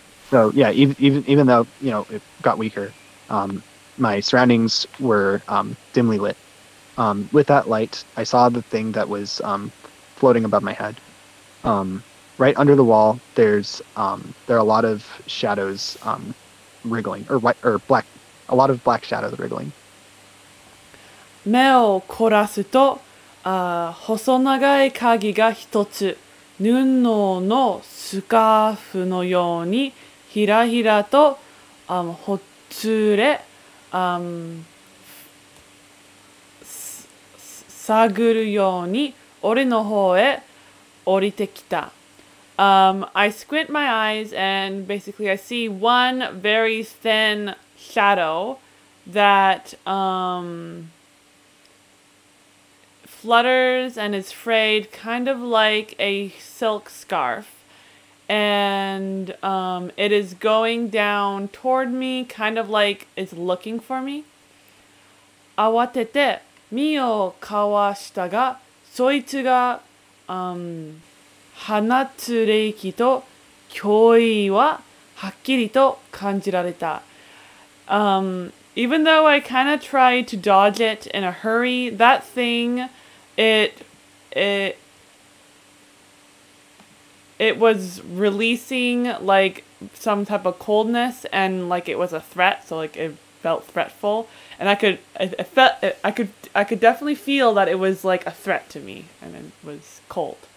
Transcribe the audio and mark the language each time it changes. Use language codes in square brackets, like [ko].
[en] So yeah, even though, you know, it got weaker, my surroundings were dimly lit. With that light I saw the thing that was floating above my head. Right under the wall there are a lot of shadows wriggling a lot of black shadows wriggling. [ja] 目を凝らすと、細長い影が一つ、布のスカーフのようにひらひらと、ほつれ、探るように俺の方へ降りてきた。 [en] I squint my eyes and basically I see one very thin shadow that flutters and is frayed kind of like a silk scarf, and it is going down toward me kind of like it's looking for me. [ja] 慌てて身をかわしたが、そいつが放つ霊気と脅威ははっきりと感じられた。 [en] Even though I kind of tried to dodge it in a hurry, that thing, it was releasing like some type of coldness and like it was a threat, so like it felt threatful, and I could definitely feel that it was like a threat to me and it was cold.